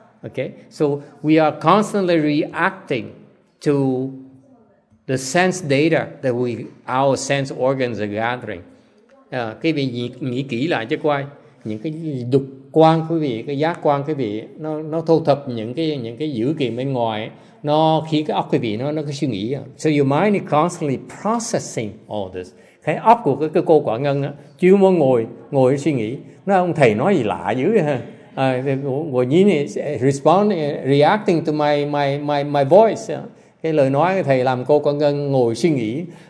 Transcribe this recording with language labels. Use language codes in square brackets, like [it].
[en] Okay, so we are constantly reacting to the sense data that our sense organs are gathering. [vi] Quý vị nghĩ kỹ lại cho coi, những cái đục quan quý vị, cái giác quan quý vị, nó thu thập những cái dữ kiện bên ngoài, nó khiến cái óc quý vị nó có suy nghĩ. [en] So your mind is constantly processing all this. [vi] Cái óc của cái cô Quả Ngân á, chưa muốn ngồi suy nghĩ, nó ông thầy nói gì lạ dữ vậy ha. Nhìn [en] reacting to my voice, [vi] cái lời nói của thầy làm cô Quả Ngân ngồi suy nghĩ.